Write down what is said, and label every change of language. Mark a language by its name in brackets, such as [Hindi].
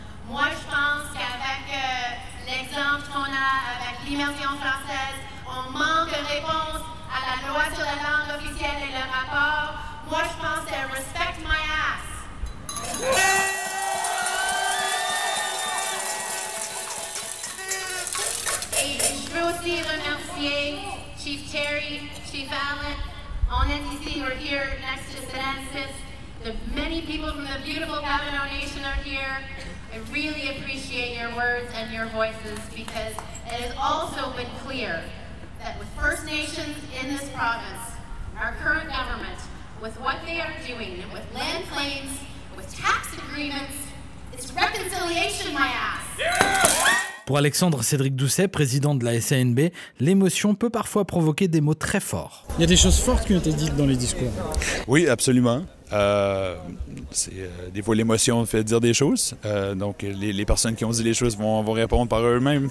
[French] Moi, je pense qu'avec l'exemple qu'on a avec l'immersion française, on manque de réponse à la loi sur la langue officielle et le rapport. Moi, je pense que [English] respect my ass. [French] Et je veux aussi remercier Chief Terry, Chief Allen. On est ici, [English] we're here next to St. Ansys. The many people from the beautiful Gatineau Nation are here. I really appreciate your words and your voices because it has also been clear that with First Nations in this province, our current government, with what they are doing, with land claims, with tax agreements, it's reconciliation, my ass. [French] Pour Alexandre Cédric Doucet, président de la SANB, l'émotion peut parfois provoquer des mots très forts. Il y a des choses fortes qui ont été dites dans les discours. Oui, absolument. Des fois, l'émotion fait dire des choses. Donc, les personnes qui ont dit les choses vont répondre par eux-mêmes.